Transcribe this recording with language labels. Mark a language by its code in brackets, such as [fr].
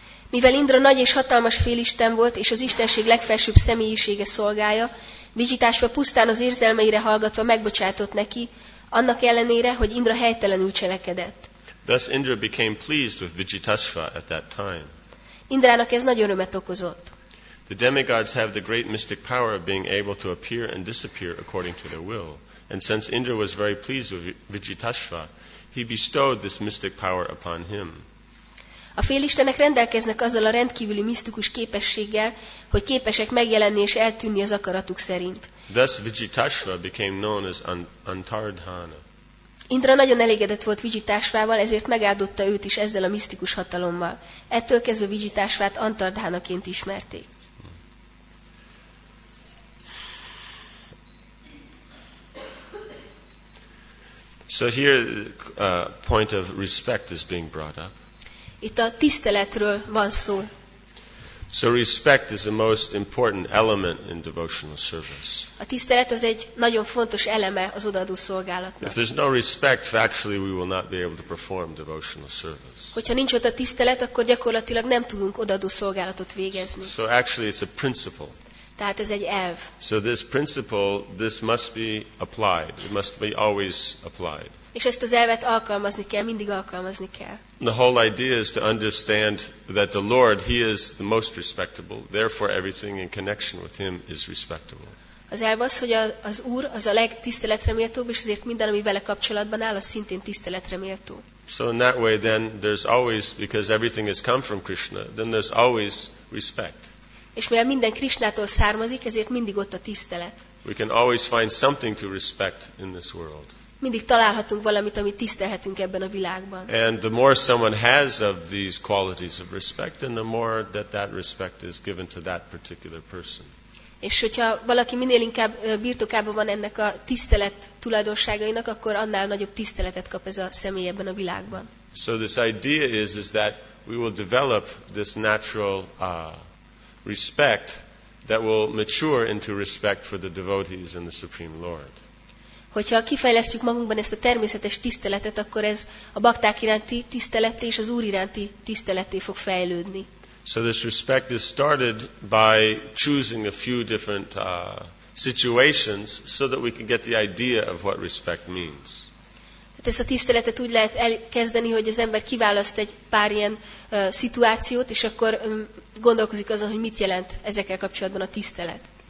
[hu] Mivel Indra nagy és hatalmas félisten volt, és az Istenség legfelsőbb személyisége szolgája, Vijitasva pusztán az érzelmeire hallgatva megbocsátott neki, annak ellenére, hogy Indra helytelenül cselekedett. [en] Thus Indra became pleased with Vijitasva at that time. [hu] Indrának ez nagy örömet okozott. [en] The demigods have the great mystic power of being able to appear and disappear according to their will. And since Indra was very pleased with Vijitasva, he bestowed this mystic power upon him. [hu] A félistenek rendelkeznek azzal a rendkívüli misztikus képességgel, hogy képesek megjelenni és eltűnni az akaratuk szerint. [en] Thus Vijitasva became known as Antardhana. [hu] Indra nagyon elégedett volt Vijitasvával, ezért megáldotta őt is ezzel a misztikus hatalommal. Ettől kezdve Vijitasvát Antardhanaként ismerték. [en] So here a point of respect is being brought up. [hu] Itt a tiszteletről van szó. [en] So respect is the most important element in devotional service. [hu] A tisztelet az egy nagyon fontos eleme az odaadó szolgálatnak. [en] If there's no respect, factually we will not be able to perform devotional service. [hu] Hogyha nincs ott a tisztelet, akkor gyakorlatilag nem tudunk odaadó szolgálatot végezni. [en] So actually it's a principle. [hu] Tehát ez egy elv. [en] So this principle, this must be applied. It must be always applied. [hu] És ezt az elvet alkalmazni kell, mindig alkalmazni kell. [en] The whole idea is to understand that the Lord, He is the most respectable. Therefore, everything in connection with Him is respectable. [hu] Az elv az, hogy az Úr az a legtiszteletreméltóbb, és ezért minden, ami vele kapcsolatban áll, az szintén tiszteletreméltó. [en] So in that way, then there's always, because everything has come from Krishna, then there's always respect. [hu] És mivel minden Krisnától származik, ezért mindig ott a tisztelet. [en] We can always find something to respect in this world. [hu] Mindig találhatunk valamit, amit tisztelhetünk ebben a világban. [en] And the more someone has of these qualities of respect, then the more that respect is given to that particular person. [hu] És hogyha valaki minél inkább birtokában van ennek a tisztelet tulajdonságainak, akkor annál nagyobb tiszteletet kap ez a személy ebben a világban. [en] So this idea is that we will develop this natural respect that will mature into respect for the devotees and the Supreme Lord. [hu] Hogyha kifejlesztjük magunkban ezt a természetes tiszteletet, akkor ez a bakták iránti tiszteletté és az Úr iránti tiszteletté fog fejlődni. [en] So this respect is started by choosing a few different situations so that we can get the idea of what respect means. [hu] Ezt a tiszteletet úgy lehet elkezdeni, hogy az ember kiválaszt egy pár ilyen szituációt, és akkor gondolkozik azon, hogy mit jelent ezekkel kapcsolatban a tisztelet.